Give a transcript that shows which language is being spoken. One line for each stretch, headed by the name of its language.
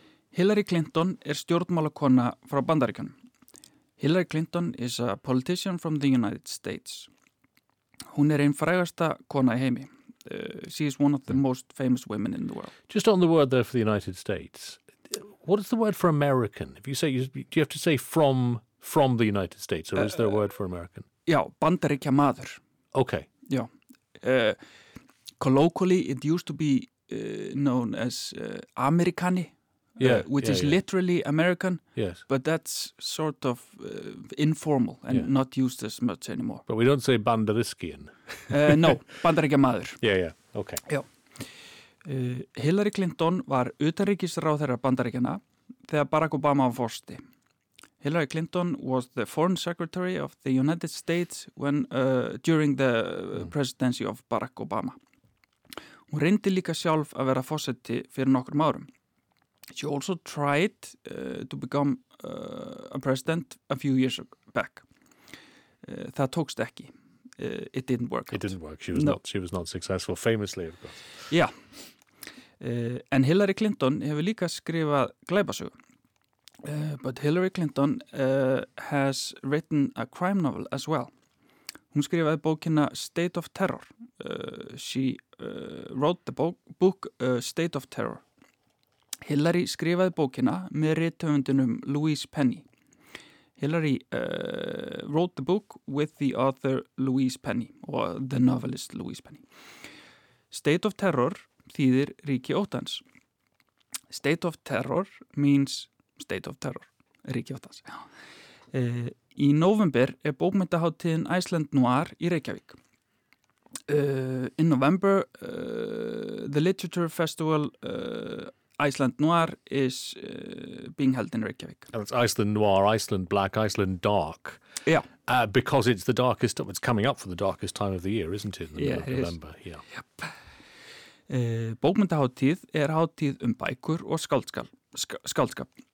Icelandic: Hillary Clinton er stjórnmálakona frá Bandaríkjunum.
English: Hillary Clinton is a politician from the United States.
Icelandic: Hún ein frægasta kona í heimi.
English: She is one of the most famous women in the world. Just on the word there for the United States, what is the word for American? If you say, do you have to say from the United States, or is there a word for American?
Icelandic: Já, Bandaríkja maður.
English: Okay.
Icelandic: Já.
English: Colloquially, it used to be known as Americani. Which is literally American, yes. But that's sort of informal and not used as much anymore. But we don't say Bandariskian.
Icelandic: no, Bandaríkjamaður.
English: Yeah, yeah, okay.
Icelandic: Já. Hillary Clinton var utanríkisráðherra Bandaríkjanna þegar Barack Obama var forseti.
English: Hillary Clinton was the foreign secretary of the United States when during the presidency of Barack Obama.
Icelandic: Hún reyndi líka sjálf að vera forseti fyrir nokkrum árum.
English: She also tried to become a president a few years back.
Icelandic: That tókst ekki.
English: It didn't work. It didn't work. She was not successful, famously, of course. Yeah.
Icelandic: And Hillary Clinton hefur líka skrifað glæpasögu.
English: But Hillary Clinton has written a crime novel as well.
Icelandic: Hún skrifaði bókina State of Terror.
English: She wrote the book State of Terror.
Icelandic: Hillary skrifaði bókina með rithöfundunum Louise Penny.
English: Hillary wrote the book with the author Louise Penny, or the novelist Louise Penny. State of Terror þýðir ríki óttans. State of Terror
Icelandic: means State of Terror, ríki óttans. Í november er bókmyndahátíðin Iceland Noir í Reykjavík.
English: In November, the literature festival Iceland Noir is being held in Reykjavik. And it's Iceland Noir, Iceland Black, Iceland Dark. Yeah. Because it's the darkest, it's coming up for the darkest time of the year, isn't it? In the middle of November. Is. Yeah. Yep.
Icelandic: Bókmyndahátíð er hátíð bækur og skáldskap.